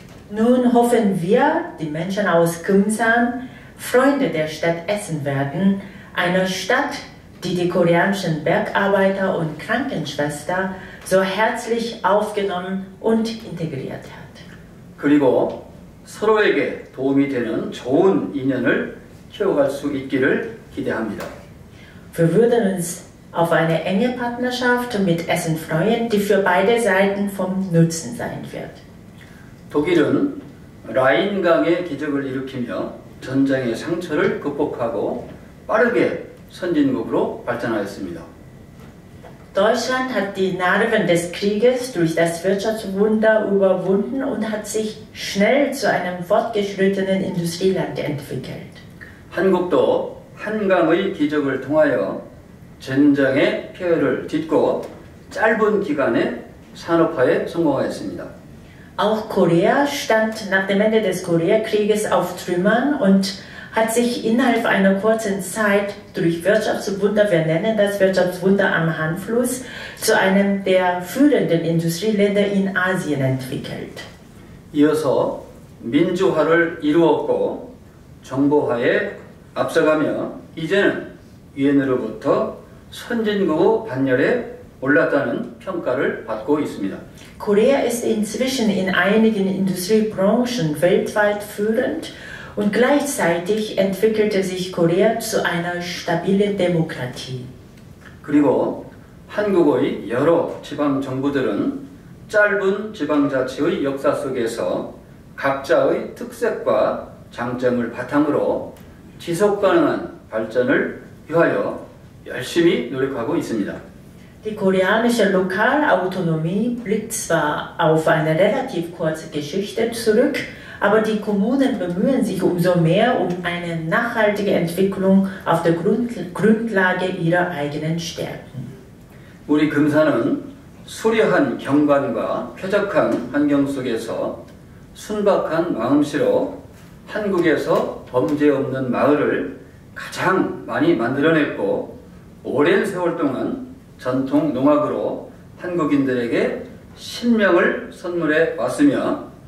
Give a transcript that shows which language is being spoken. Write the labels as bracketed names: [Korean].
[German] Nun hoffen wir, die Menschen aus Kümsan, Freunde der Stadt Essen werden, einer Stadt, die die koreanischen Bergarbeiter und Krankenschwester so herzlich aufgenommen und integriert hat. [Korean] 그리고 서로에게 도움이 되는 좋은 인연을 키워갈 수 있기를 기대합니다. [German] Wir würden uns auf eine enge Partnerschaft mit Essen freuen, die für beide Seiten vom Nutzen sein wird. [Korean] 독일은 라인강의 기적을 일으키며 전쟁의 상처를 극복하고 빠르게 선진국으로 발전하였습니다. [German] Deutschland hat die Narben des Krieges durch das Wirtschaftswunder überwunden und hat sich schnell zu einem fortgeschrittenen Industrieland entwickelt. [Korean] 한국도 한강의 기적을 통하여 전쟁의 폐허를 딛고 짧은 기간에 산업화에 성공하였습니다. [German] Auch Korea stand nach dem Ende des Koreakrieges auf Trümmern und hat sich innerhalb einer kurzen Zeit durch Wirtschaftswunder, wir nennen das Wirtschaftswunder am Hanfluss, zu einem der führenden Industrieländer in Asien entwickelt. [Korean] 이어서 민주화를 이루었고 정보화에 앞서가며 이제는 유엔으로부터 선진국 반열에 올랐다는 평가를 받고 있습니다. [German] Korea ist inzwischen in einigen Industriebranchen weltweit führend und gleichzeitig entwickelte sich Korea zu einer stabilen Demokratie. [Korean] 그리고 한국의 여러 지방 정부들은 짧은 지방자치의 역사 속에서 각자의 특색과 장점을 바탕으로 지속 가능한 발전을 위하여 열심히 노력하고 있습니다. [German] Die koreanische Lokalautonomie blickt zwar auf eine relativ kurze Geschichte zurück, aber die Kommunen bemühen sich umso mehr um eine nachhaltige Entwicklung auf der Grundlage ihrer eigenen Stärken. [Korean] 우리 금산은 수려한 경관과 쾌적한 환경 속에서 순박한 마음씨로 한국에서 범죄 없는 마을을 가장 많이 만들어냈고 오랜 세월 동안 전통 농악으로 한국인들에게 신명을 선물해 왔으며